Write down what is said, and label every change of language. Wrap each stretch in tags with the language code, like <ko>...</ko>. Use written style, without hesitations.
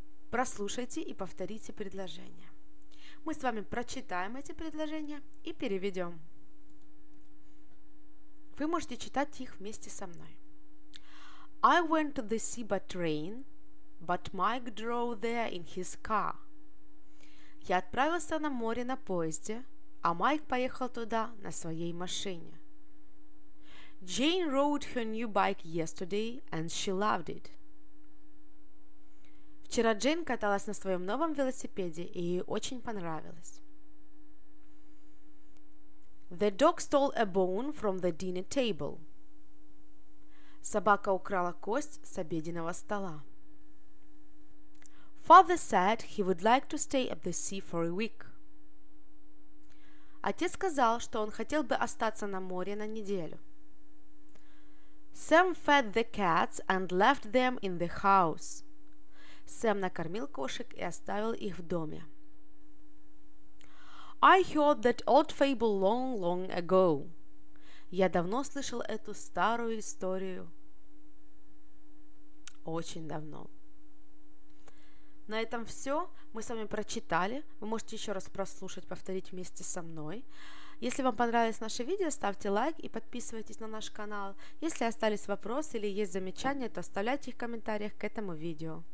<ru>Прослушайте и повторите предложения. Мы с вами прочитаем эти предложения и переведем. Вы можете читать их вместе со мной.</ru> <en>I went to the sea by train, but Mike drove there in his car.</en> <ru>Я отправился на море на поезде, а Майк поехал туда на своей машине.</ru> <en>Jane rode her new bike yesterday, and she loved it.</en> <ru>Вчера Джейн каталась на своем новом велосипеде, и ей очень понравилось.</ru> <en>The dog stole a bone from the dinner table.</en> <ru>Собака украла кость с обеденного стола.</ru> <en>Father said he would like to stay at the sea for a week.</en> <ru>Отец сказал, что он хотел бы остаться на море на неделю.</ru> <en>Sam fed the cats and left them in the house.</en> <ru>Сэм накормил кошек и оставил их в доме.</ru> <en>I heard that old fable long, long ago.</en> <ru>Я давно слышал эту старую историю. Очень давно. На этом все. Мы с вами прочитали. Вы можете еще раз прослушать, повторить вместе со мной. Если вам понравилось наше видео, ставьте лайк и подписывайтесь на наш канал. Если остались вопросы или есть замечания, то оставляйте их в комментариях к этому видео.</ru>